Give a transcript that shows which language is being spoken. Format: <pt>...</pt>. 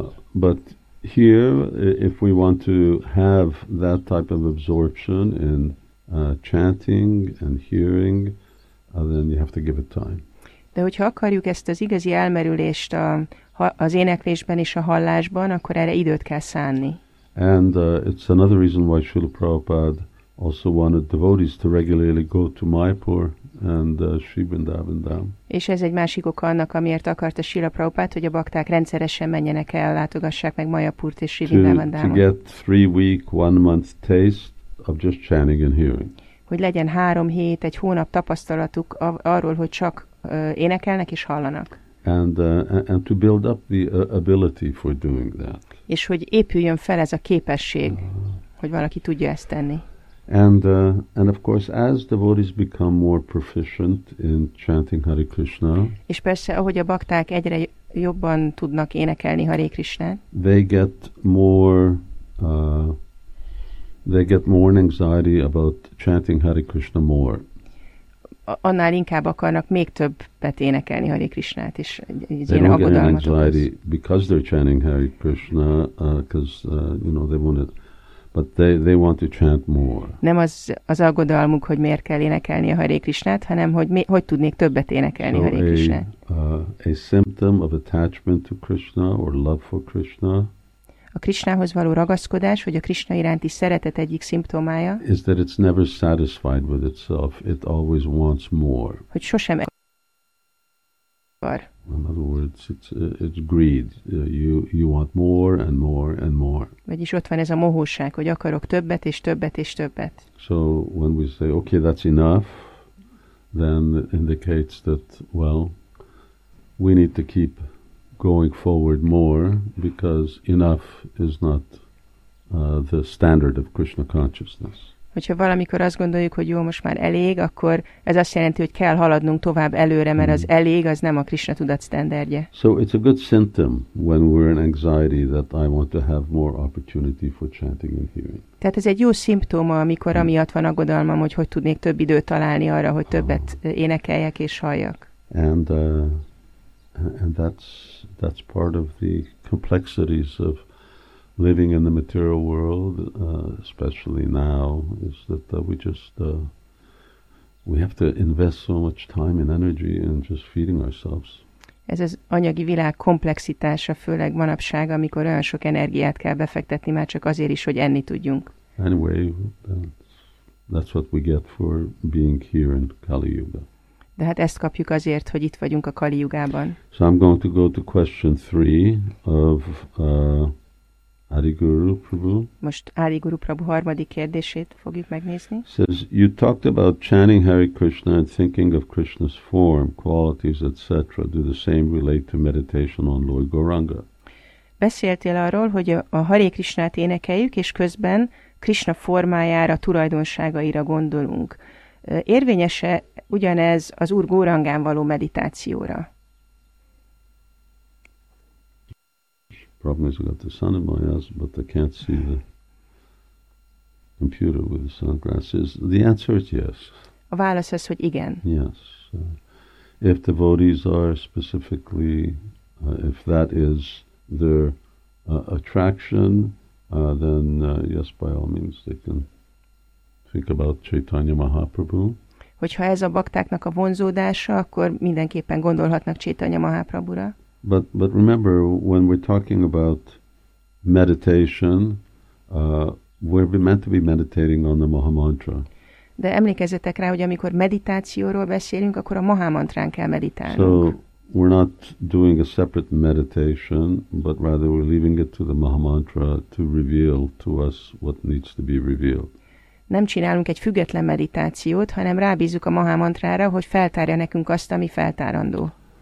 <en>But here, if we want to have that type of absorption in chanting and hearing, then you have to give it time.</en> <hu>De hogyha akarjuk ezt az igazi elmerülést az éneklésben és a hallásban, akkor erre időt kell szánni.</hu> <en>And it's another reason why Srila Prabhupada also wanted devotees to regularly go to Mayapur and Sri Vrindavan Dham.</en> <hu>És ez egy másik oka annak, amiért akarta Srila Prabhupada, hogy a bakták rendszeresen menjenek el, látogassák meg Mayapurt és Sri Vrindavan Dhamot.</hu> <en>To get 3 week, 1 month taste of just chanting and hearing.</en> <hu>Hogy legyen 3 hét, 1 hónap tapasztalatuk arról, hogy csak énekelnek és hallanak.</hu> <en>And to build up the ability for doing that.</en> <hu>És hogy épüljön fel ez a képesség, hogy valaki tudja ezt tenni.</hu> <en>And of course, as devotees become more proficient in chanting Hare Krishna,</en> <hu>és persze, ahogy a bakták egyre jobban tudnak énekelni Hare Krishnát,</hu> <en>they get more anxiety about chanting Hare Krishna more.</en> <hu>Annál inkább akarnak még többet énekelni Hare Krishnát, és</hu> <en>they don't get any anxiety because they're chanting Hare Krishna, they want it. But they want to chant more.</en> <hu>Nem az aggodalmuk, hogy miért kell énekelni a Hare Krishnát, hanem hogy tudnék többet énekelni</hu> <en>so</en> <hu>Hare Krishnát.</hu> <en>A symptom of attachment to Krishna or love for Krishna.</en> <hu>A Krishnához való ragaszkodás, vagy a Krishna iránti szeretet egyik szimptomája.</hu> <en>Is that it's never satisfied with itself. It always wants more.</en> <hu>Hogy sosem akar.</hu> <en>In other words, it's greed. You want more and more and more.</en> <hu>Vagyis ott van ez a mohóság, hogy akarok többet és többet és többet.</hu> <en>So when we say, okay, that's enough, then it indicates that, well, we need to keep going forward more because enough is not the standard of Krishna consciousness.</en> <hu>Hogyha valamikor azt gondoljuk, hogy jó, most már elég, akkor ez azt jelenti, hogy kell haladnunk tovább előre, mert az elég, az nem a Krishna tudat standardje.</hu> <en>So it's a good symptom when we're in anxiety that I want to have more opportunity for chanting and hearing.</en> <hu>Tehát ez egy jó szimptoma, amikor amiatt van aggodalmam, hogy tudnék több időt találni arra, hogy többet énekeljek és halljak.</hu> <en>And that's part of the complexities of living in the material world, especially now, is that we have to invest so much time and energy in just feeding ourselves.</en> <hu>Ez az anyagi világ komplexitása, főleg manapság, amikor olyan sok energiát kell befektetni már csak azért is, hogy enni tudjunk.</hu> <en>Anyway, that's what we get for being here in Kali Yuga.</en> <hu>De hát ezt kapjuk azért, hogy itt vagyunk a Kali Yugában.</hu> <en>So I'm going to go to question 3 of Adi Guru Prabhu.</en> <hu>Most Adi Guru Prabhu harmadik kérdését fogjuk megnézni.</hu> <en>Says, you talked about chanting Hare Krishna and thinking of Krishna's form, qualities, etc. Do the same relate to meditation on Lord Gauranga?</en> <hu>Beszéltél arról, hogy a Hare Krishnát énekeljük, és közben Krishna formájára, tulajdonságaira gondolunk. Érvényes-e ugyanez az Úr Gaurangán való meditációra?</hu> <en>Problem is, I got the sun in my eyes, but I can't see the computer with the sunglasses. The answer is yes.</en> <hu>A válasz az, hogy igen.</hu> <en>Yes. If devotees are specifically, if that is their attraction, then yes, by all means, they can think about Chaitanya Mahaprabhu.</en> <hu>Hogyha ez a baktáknak a vonzódása, akkor mindenképpen gondolhatnak Chaitanya Mahaprabhura.</hu> <en>But remember, when we're talking about meditation, we're meant to be meditating on the Maha Mantra.</en> <hu>De emlékezzetek rá, hogy amikor meditációról beszélünk, akkor a Maha Mantrán kell meditálnunk.</hu> <en>So we're not doing a separate meditation, but rather we're leaving it to the Maha Mantra to reveal to us what needs to be revealed.</en> <hu>Nem csinálunk egy független meditációt, hanem rábízunk a Maha Mantrára, hogy feltárja nekünk azt, ami feltárandó.</hu>